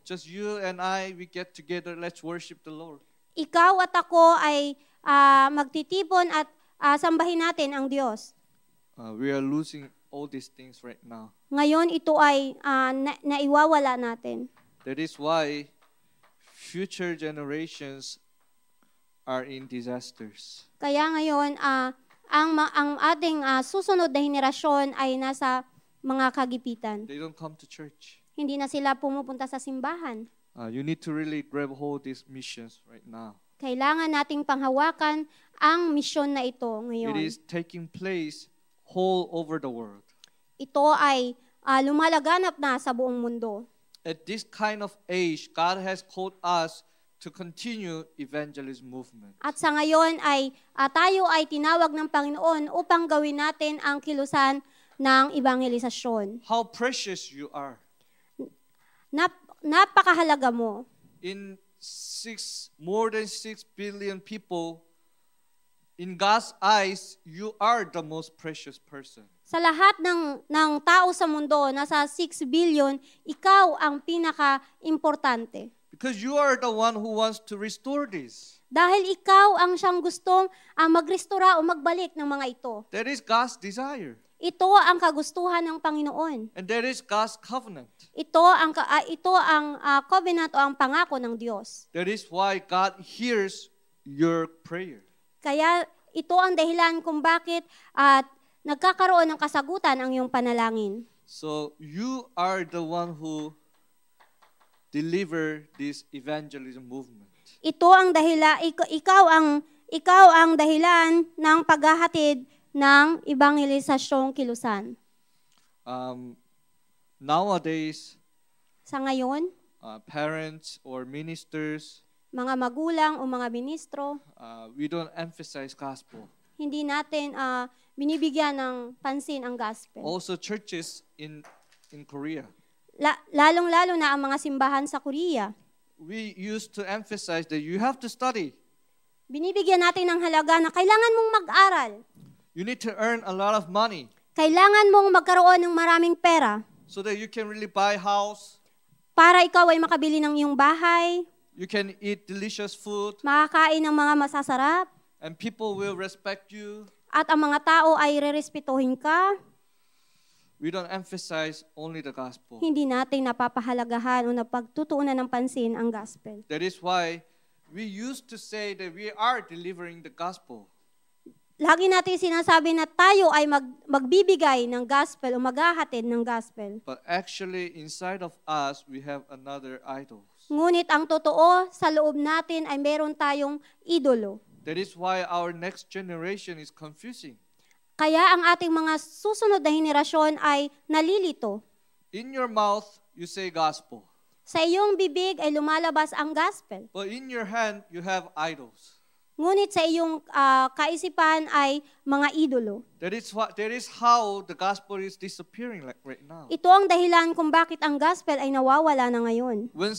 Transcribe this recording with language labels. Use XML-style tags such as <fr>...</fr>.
<en>Just you and I, we get together, let's worship the Lord.</en> <tl>Ikaw at ako ay magtitipon at sambahin natin ang Diyos.</tl> <en>We are losing all these things right now.</en> <tl>Ngayon ito ay naiwawala natin.</tl> <en>That is why future generations are in disasters.</en> <tl>Kaya ngayon ang ating susunod na henerasyon ay nasa mga kagipitan.</tl> <en>They don't come to church.</en> <tl>Hindi na sila pumupunta sa simbahan.</tl> <en>You need to really grab hold these missions right now.</en> <tl>Kailangan nating panghawakan ang misyon na ito ngayon.</tl> <en>It is taking place all over the world.</en> <tl>Ito ay lumalaganap na sa buong mundo.</tl> <en>At this kind of age, God has called us to continue evangelism movement.</en> <tl>At sa ngayon ay tayo ay tinawag ng Panginoon upang gawin natin ang kilusan ng ebanghelisasyon.</tl> <en>How precious you are.</en> <tl>Napakahalaga mo.</tl> <en>In more than 6 billion people, in God's eyes, you are the most precious person.</en> <tl>Sa lahat ng tao sa mundo, nasa 6 billion, ikaw ang pinaka-importante.</tl> <en>Because you are the one who wants to restore this.</en> <tl>Dahil ikaw ang siyang gustong magrestora o magbalik ng mga ito.</tl> <en>That is God's desire.</en> <tl>Ito ang kagustuhan ng Panginoon.</tl> <en>And that is God's covenant.</en> <tl>Ito ang covenant o ang pangako ng Diyos.</tl> <en>That is why God hears your prayer.</en> <tl>Kaya ito ang dahilan kung bakit at nagkakaroon ng kasagutan ang iyong panalangin.</tl> <en>So you are the one who deliver this evangelism movement.</en> <tl>Ito ang dahilan, ikaw ang dahilan ng paghahatid ng ebanghelisasyong kilusan.</tl> <en>Nowadays,</en> <tl>sa ngayon,</tl> <en>parents or ministers,</en> <tl>mga magulang o mga ministro,</tl> <en>we don't emphasize gospel.</en> <tl>Hindi natin binibigyan ng pansin ang gospel.</tl> <en>Also churches in Korea.</en> <tl>Lalong-lalo na ang mga simbahan sa Korea.</tl> <en>We used to emphasize that you have to study.</en> <tl>Binibigyan natin ng halaga na kailangan mong mag-aral.</tl> <en>You need to earn a lot of money.</en> <tl>Kailangan mong magkaroon ng maraming pera.</tl> <en>So that you can really buy house.</en> <tl>Para ikaw ay makabili ng iyong bahay.</tl> <en>You can eat delicious food.</en> <tl>Makakain ng mga masasarap.</tl> <en>And people will respect you.</en> <tl>At ang mga tao ay rerespetuhin ka.</tl> <en>We don't emphasize only the gospel.</en> <tl>Hindi natin napapahalagahan o napagtutuunan ng pansin ang gospel.</tl> <en>That is why we used to say that we are delivering the gospel.</en> <tl>Lagi natin sinasabi na tayo ay magbibigay ng gospel o maghahatid ng gospel.</tl> <en>But actually, inside of us, we have another idol.</en> <tl>Ngunit ang totoo, sa loob natin ay meron tayong idolo.</tl> <en>That is why our next generation is confusing.</en> <tl>Kaya ang ating mga susunod na henerasyon ay nalilito.</tl> <en>In your mouth, you say gospel.</en> <tl>Sa iyong bibig ay lumalabas ang gospel.</tl> <en>But in your hand, you have idols.</en> <tl>Ngunit sa iyong kaisipan ay mga idolo.</tl> <en>That is how the gospel is disappearing like right now.</en> <tl>Ito ang dahilan kung bakit ang gospel ay nawawala na ngayon.</tl>